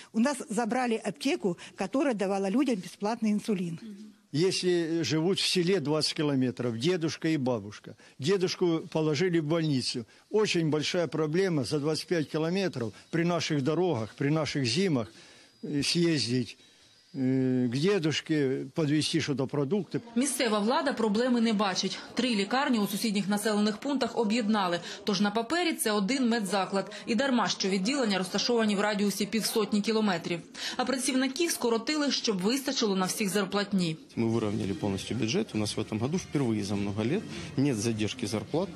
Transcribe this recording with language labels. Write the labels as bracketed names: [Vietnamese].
[Ukrainian] У нас забрали аптеку, яка давала людям безплатний інсулін. Якщо живуть в селі 20 кілометрів, дідусь і бабуся, дідуся положили в лікарню. Дуже велика проблема за 25 кілометрів при наших дорогах, при наших зимах з'їздити. [Russian] к дедушке подвести что-то продукты. [Ukrainian] Місцева влада проблеми не бачить. Три лікарні у сусідніх населених пунктах об'єднали. Тож на папері це один медзаклад. І дарма, що відділення розташовані в радіусі півсотні кілометрів. А працівників скоротили, щоб вистачило на всіх зарплатні. Ми вирівняли повністю бюджет. У нас в цьому році вперше за багато років немає задержки зарплат.